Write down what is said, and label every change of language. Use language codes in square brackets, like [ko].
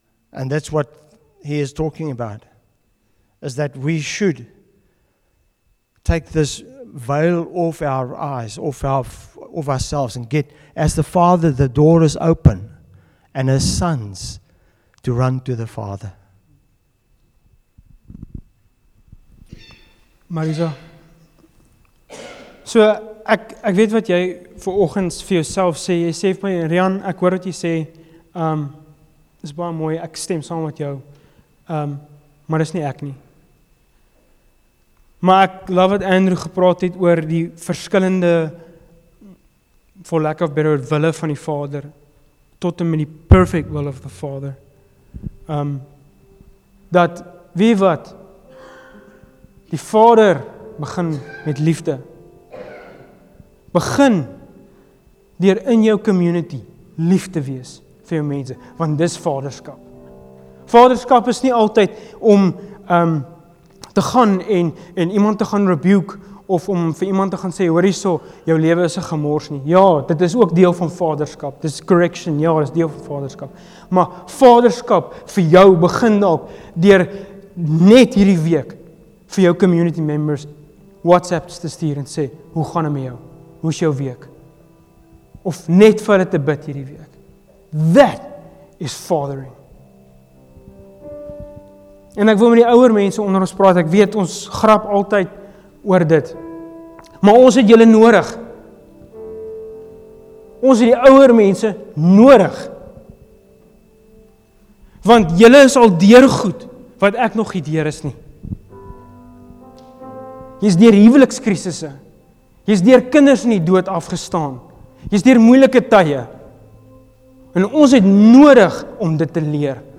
[en] And that's what he is talking about, is that we should take this veil off our eyes, off ourselves, and get, as the Father, the door is open, and as sons, to run to the Father. [af] Marisa, so ek weet wat jy vir oggends vir jouself sê, jy sê vir my, Rian, ek hoor wat jy sê, is baie mooi, ek stem saam met jou, maar dis nie ek nie. Maar ek love wat Andrew gepraat het oor die verskillende, [en] for lack of better, [af] wille van die Vader, tot en met die [en] perfect will of the Father, [af] dat, weet wat, die Vader begin met liefde, begin deur in jou community lief te wees vir jou mense, want dis vaderskap. Vaderskap is nie altyd om te gaan en iemand te gaan rebuke, of om vir iemand te gaan sê, hoor hierso, jou lewe is 'n gemors nie. Ja, dit is ook deel van vaderskap. Dit is correction, ja, dit is deel van vaderskap. Maar vaderskap vir jou begin ook deur net hierdie week vir jou community members WhatsApps te stuur en sê, hoe gaan het met jou? Hoe is jou week? Of net vir hulle te bid hierdie week. [en] That is fathering. [af] En ek wil met die ouer mense onder ons praat, ek weet, ons grap altyd oor dit. Maar ons het julle nodig. Ons het die ouer mense nodig. Want julle is al deur goed, wat ek nog nie deur is nie. Jy is deur huwelikskrisisse. Jy is deur kinders in die dood afgestaan. Jy is deur moeilike tye. En ons het nodig om dit te leer.